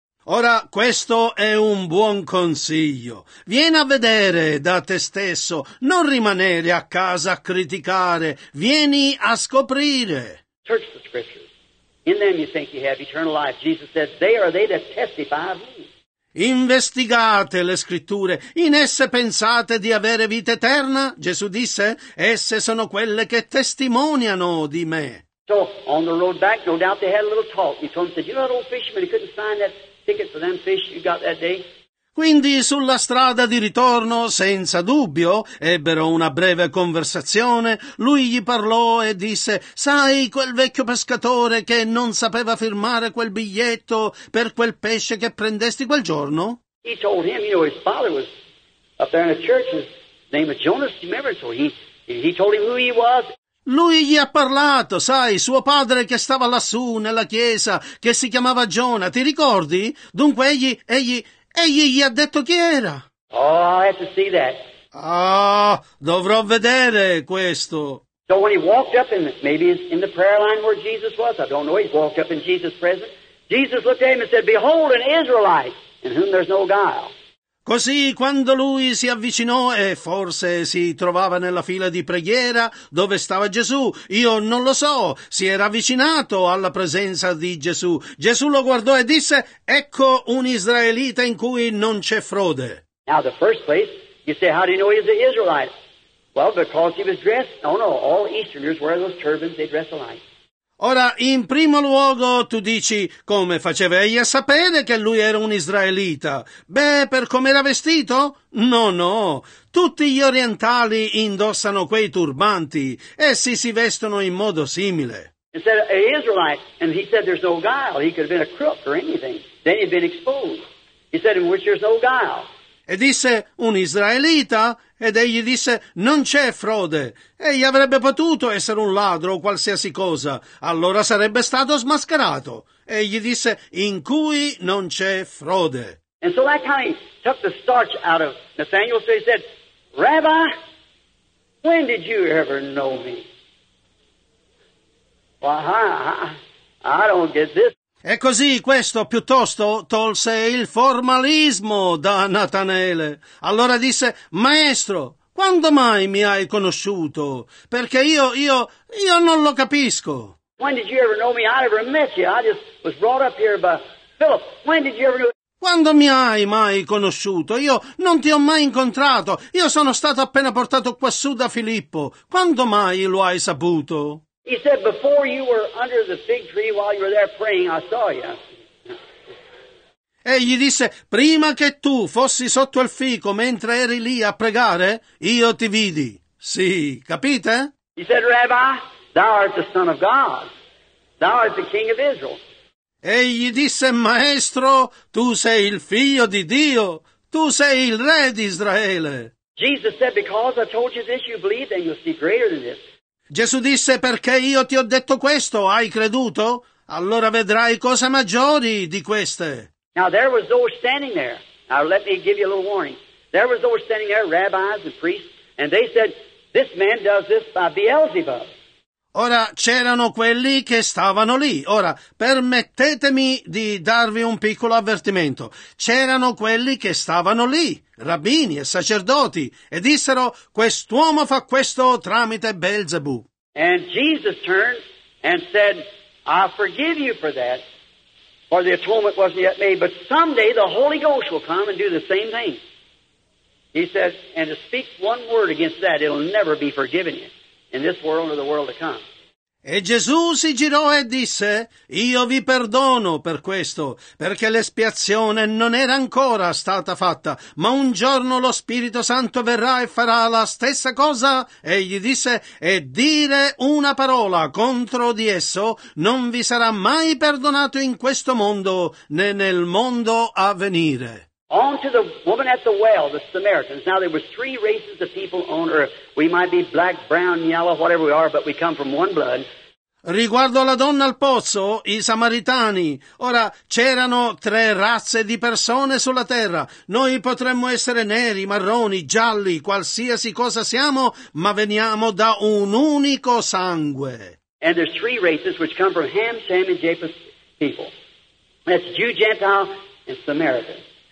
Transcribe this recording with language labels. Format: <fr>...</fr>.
<it>Ora, questo è un buon consiglio. Vieni a vedere da te stesso. Non rimanere a casa a criticare. Vieni a scoprire.</it> <en>Search the scriptures. In them you think you have eternal life. Jesus says, they are they that testify of me.</en> <it>Investigate le scritture, in esse pensate di avere vita eterna? Gesù disse, esse sono quelle che testimoniano di me.</it> <en>So, on the road back, no doubt they had a little talk. He told him, said, you know that old fisherman, he couldn't sign that ticket for them fish you got that day?</en> <it>Quindi sulla strada di ritorno, senza dubbio, ebbero una breve conversazione. Lui gli parlò e disse, sai quel vecchio pescatore che non sapeva firmare quel biglietto per quel pesce che prendesti quel giorno?</it> <en>He told him, you know, his father was up there in a church, his name was Jonas, you remember? So he told him who he was.</en> <it>Lui gli ha parlato, sai, suo padre che stava lassù nella chiesa, che si chiamava Giona, ti ricordi? Dunque egli gli ha detto chi era.</it> <en>Oh, I'll have to see that.</en> <it>Ah, dovrò vedere questo.</it> <en>So when he walked up in, maybe in the prayer line where Jesus was, I don't know, he walked up in Jesus' presence. Jesus looked at him and said, behold, an Israelite in whom there's no guile.</en> <it>Così, quando lui si avvicinò e forse si trovava nella fila di preghiera, dove stava Gesù? Io non lo so. Si era avvicinato alla presenza di Gesù. Gesù lo guardò e disse, ecco un israelita in cui non c'è frode.</it> <en>Now, the first place, you say, how do you know he's an Israelite? Well, because he was dressed. Oh no, all Easterners wear those turbans, they dress alike.</en> <it>Ora, in primo luogo, tu dici, come faceva egli a sapere che lui era un israelita? Beh, per come era vestito? No, no. Tutti gli orientali indossano quei turbanti. Essi si vestono in modo simile.</it> <en>He said, an Israelite, and he said there's no guile. He could have been a crook or anything. Then he'd been exposed. He said, in which there's no guile.</en> <it>E disse, un israelita? Ed egli disse, non c'è frode. Egli avrebbe potuto essere un ladro o qualsiasi cosa. Allora sarebbe stato smascherato. Egli disse, in cui non c'è frode.</it> <en>And so that kind of took the starch out of Nathanael. So he said, Rabbi, when did you ever know me? Well, I don't get this.</en> <it>E così questo piuttosto tolse il formalismo da Natanaele. Allora disse, maestro, quando mai mi hai conosciuto? Perché io non lo capisco.</it> <en>When did you ever know me? I never met you. I just was brought up here by Philip. When did you ever know me?</en> <it>Quando mi hai mai conosciuto? Io non ti ho mai incontrato. Io sono stato appena portato quassù da Filippo. Quando mai lo hai saputo?</it> <en>He said, before you were under the fig tree while you were there praying, I saw you.</en> <it>E gli disse, prima che tu fossi sotto il fico mentre eri lì a pregare, io ti vidi. Sì, capite?</it> <en>He said, Rabbi, thou art the son of God. Thou art the king of Israel.</en> <it>E gli disse, maestro, tu sei il figlio di Dio. Tu sei il re di Israele.</it> <en>Jesus said, because I told you this, you believe, then you'll see greater than this.</en> <it>Gesù disse, perché io ti ho detto questo, hai creduto? Allora vedrai cose maggiori di queste.</it> <en>Now there was those standing there. Now let me give you a little warning. There was those standing there, rabbis and priests, And they said, this man does this by Beelzebub.</en> <it>Ora, c'erano quelli che stavano lì. Ora, permettetemi di darvi un piccolo avvertimento. C'erano quelli che stavano lì, rabbini e sacerdoti, e dissero, quest'uomo fa questo tramite Belzebù.</it> <en>And Jesus turned and said, I forgive you for that, for the atonement wasn't yet made, but someday the Holy Ghost will come and do the same thing. He said, and to speak one word against that, it'll never be forgiven you. In this world or the world to come.</en> <it>E Gesù si girò e disse, io vi perdono per questo, perché l'espiazione non era ancora stata fatta, ma un giorno lo Spirito Santo verrà e farà la stessa cosa. E gli disse, e dire una parola contro di esso non vi sarà mai perdonato in questo mondo, né nel mondo a venire.</it> <en>On to the woman at the well, the Samaritans. Now there were three races of people on earth. We might be black, brown, yellow, whatever we are, but we come from one blood.</en> <it>Riguardo alla donna al pozzo, i Samaritani. Ora, c'erano tre razze di persone sulla terra. Noi potremmo essere neri, marroni, gialli, qualsiasi cosa siamo, ma veniamo da un unico sangue.</it> <en>And there's three races which come from Ham, Shem, and Japheth's people. That's Jew, Gentile, and Samaritan.</en>